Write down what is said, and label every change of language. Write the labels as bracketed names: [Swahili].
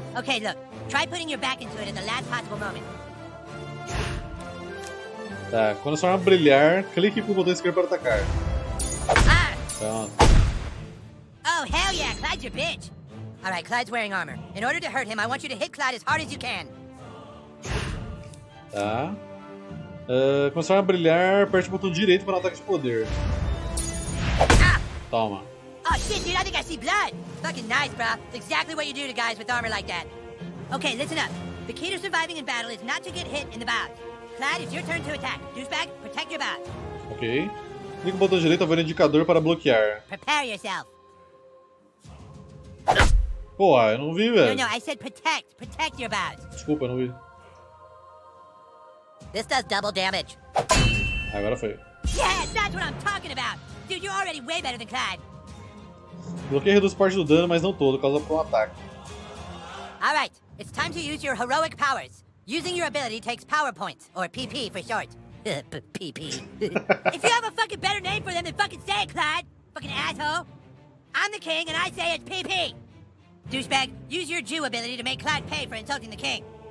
[English] Okay, look, try putting your back into it in the last possible moment. [Portuguese] Tá, quando a sua arma brilhar, clique com o botão esquerdo para atacar. Ah! Pronto. [English] Oh, hell yeah, Clyde's your bitch! Alright, Clyde's wearing armor. In order to hurt him, I want you to hit Clyde as hard as you can. [Portuguese] Tá. Quando a sua arma brilhar, aperte o botão direito para um ataque de poder. Ah! Toma. [English] Oh shit, dude, I think I see blood! Fucking nice, bro. It's exactly what you do to guys with armor like that. Okay, listen up. The key to surviving in battle is not to get hit in the bout. Clyde, it's your turn to attack. Douchebag, protect your bout. Okay. [Portuguese] Clique o botão direito para ver o indicador para bloquear. [English] Prepare yourself. [Portuguese] Pô, eu não vi, velho. [English] No, I said protect. Protect your bout. [Portuguese] Desculpa, eu não vi. [English] This does double damage. [Portuguese] Agora foi. [English] Yes, that's what I'm talking about. Dude, you're already way better than Clyde. [Portuguese] Bloqueio reduz parte do dano, mas não todo, causa por um ataque. [English] All right, it's time to use your heroic powers. Using your ability takes power points, or PP for short. PP. If you have a fucking better name for them, then fucking say it, Clyde. Fucking asshole. I'm the king, and I say it's PP. Douchebag, use your Jew ability to make Clyde pay for insulting the king.